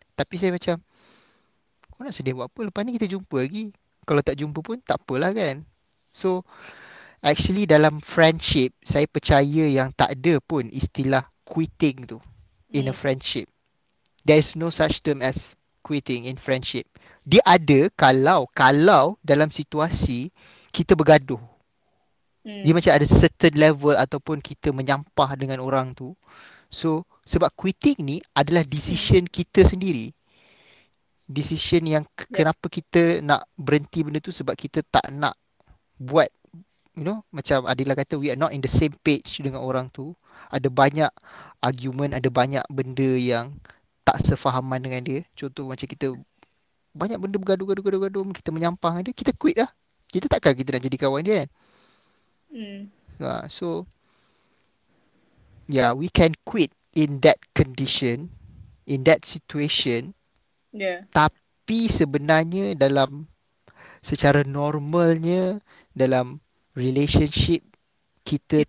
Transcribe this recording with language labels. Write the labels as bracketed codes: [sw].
[ms] Tapi saya macam, kau nak sedih buat apa? Lepas ni kita jumpa lagi. Kalau tak jumpa pun tak apalah kan. So actually dalam friendship, saya percaya yang tak ada pun istilah quitting tu [en] in a friendship. There is no such term as quitting in friendship. [ms] Dia ada kalau, kalau dalam situasi kita bergaduh. Dia macam ada certain level ataupun kita menyampah dengan orang tu. So sebab quitting ni adalah decision kita sendiri. Decision yang kenapa kita nak berhenti benda tu sebab kita tak nak buat, [en] you know, [ms] macam Adila kata, [en] we are not in the same page [ms] dengan orang tu. Ada banyak argument, ada banyak benda yang tak sefahaman dengan dia. Contoh macam kita banyak benda bergaduh-gaduh-gaduh-gaduh, kita menyampah dengan dia, kita quit lah. Kita takkan kita nak jadi kawan dia kan. [en] So yeah, we can quit in that condition, in that situation. Yeah. [ms] Tapi sebenarnya dalam secara normalnya dalam relationship, kita